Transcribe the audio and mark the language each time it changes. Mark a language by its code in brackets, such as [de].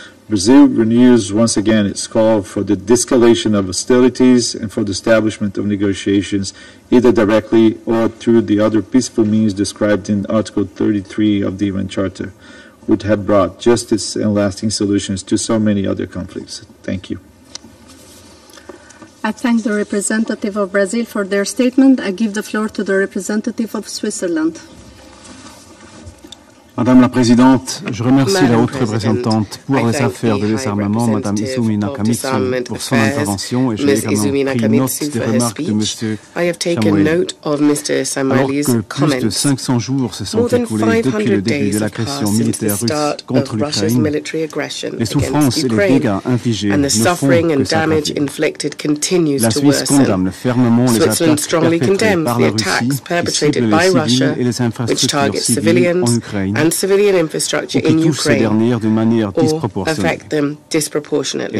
[en] Brazil renews once again its call for the de-escalation of hostilities and for the establishment of negotiations, either directly or through the other peaceful means described in Article 33 of the UN Charter, which have brought justice and lasting solutions to so many other conflicts. Thank you. I thank the representative of Brazil for their statement. I give the floor to the representative of Switzerland. [fr] Madame la Présidente, je remercie la haute représentante pour les affaires de désarmement, Madame Izumi Nakamitsu, pour son intervention, et j'ai également pris note des remarques de Monsieur Szamuely. Alors que plus de 500 jours se sont écoulés depuis le début de l'agression militaire russe contre l'Ukraine, les souffrances et les dégâts infligés ne font que s'aggraver. La Suisse condamne fermement les attaques perpétrées par la Russie qui ciblent les civils et les infrastructures civiles en Ukraine, [en] and civilian infrastructure in Ukraine or affect them disproportionately.